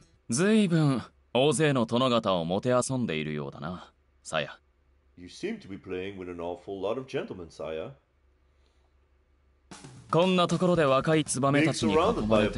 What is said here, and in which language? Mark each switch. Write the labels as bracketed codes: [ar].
[ja] 随分大勢の殿方をもてあそんでいるようだな、サヤ。 [en] You seem to be playing with an awful lot of gentlemen, サヤ。 [ja] こんなところで若いツバメたちに囲まれて、